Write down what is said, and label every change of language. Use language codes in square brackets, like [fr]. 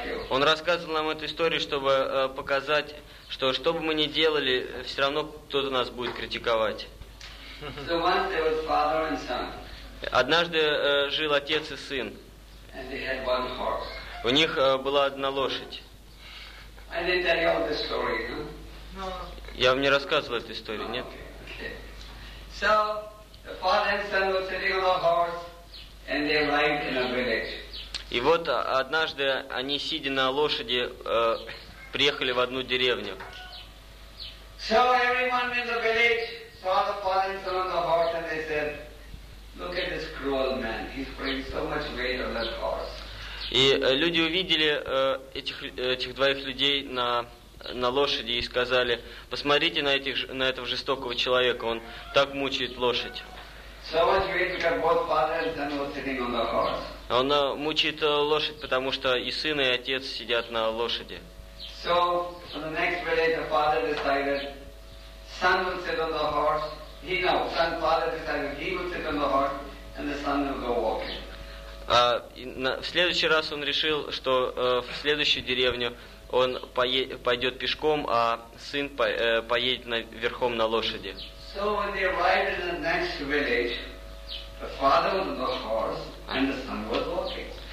[ru] Он рассказывал нам эту историю, чтобы показать, что бы мы ни делали, все равно кто-то нас будет критиковать. [en] So once there was father and son. [ru] Однажды жил отец и сын. [en] And they had one horse. [ru] У них была одна лошадь. [en] I didn't tell you all the story, no? No. [ru] Я вам не рассказывал эту историю, нет? [en] So, the father and son were sitting on a horse, and they arrived in a village. [ru] И вот однажды они, сидя на лошади, приехали в одну деревню. [en] So everyone in the village saw the father and son on the horse, and they said, look at this cruel man, he's putting so much weight on that horse. [ru] И люди увидели этих двоих людей на лошади и сказали, посмотрите на этого жестокого человека, он так мучает лошадь. [en] So much weight because both father and son were sitting on the horse. [ru] Он мучает лошадь, потому что и сын, и отец сидят на лошади. [en] So, on the next village, the father decided, son would sit on the horse, he no, son, father decided, he would sit on the horse, and the son would go walking. [ru] В следующий раз он решил, что в следующую деревню он пойдет пешком, а сын поедет верхом на лошади. [en] So, when they arrived in the next village, the father was on the horse, and the son was walking.